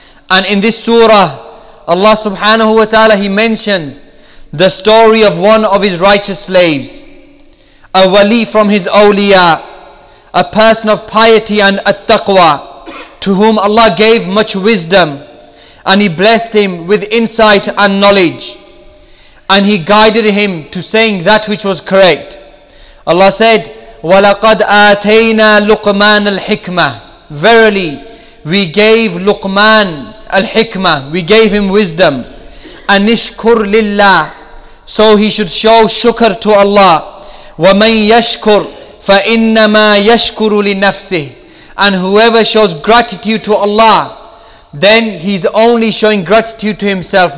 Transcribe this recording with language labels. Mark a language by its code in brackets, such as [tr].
[en] And in this surah, Allah subhanahu wa ta'ala, he mentions the story of one of his righteous slaves, a wali from his awliya, a person of piety and at-taqwa, to whom Allah gave much wisdom, and he blessed him with insight and knowledge, and he guided him to saying that which was correct. Allah said, [ar] وَلَقَدْ آتَيْنَا لُقْمَانَ الْحِكْمَةِ. [en] Verily, we gave Luqman al-hikmah, we gave him wisdom. [ar] أَنِشْكُرْ لِلَّهِ. [en] So he should show shukr to Allah. [ar] وَمَنْ يَشْكُرْ فَإِنَّمَا يَشْكُرُ لِنَفْسِهِ. [en] And whoever shows gratitude to Allah, then he's only showing gratitude to himself.